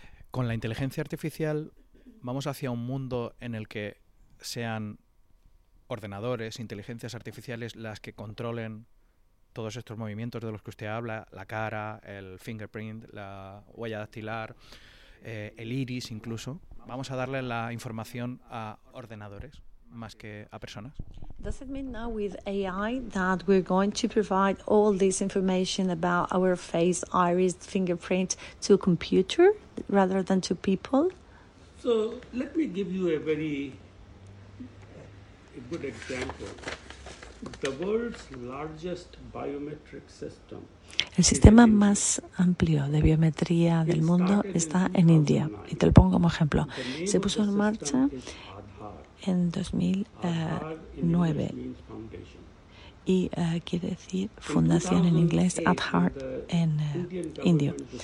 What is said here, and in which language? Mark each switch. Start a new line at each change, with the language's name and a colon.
Spanish: Con la inteligencia artificial vamos hacia un mundo en el que sean ordenadores, inteligencias artificiales las que controlen todos estos movimientos de los que usted habla, la cara, el fingerprint, la huella dactilar, el iris incluso. Vamos a darle la información a ordenadores más que a personas.
English: Does it mean now with AI that we're going to provide all this information about our face, iris, fingerprint to a computer rather than to people? So let me give you a good example. The world's largest biometric system.
Spanish: El sistema más amplio de biometría del mundo está en India. Y te lo pongo como ejemplo. Se puso en marcha en 2009 y quiere decir fundación en inglés, Aadhaar en indio.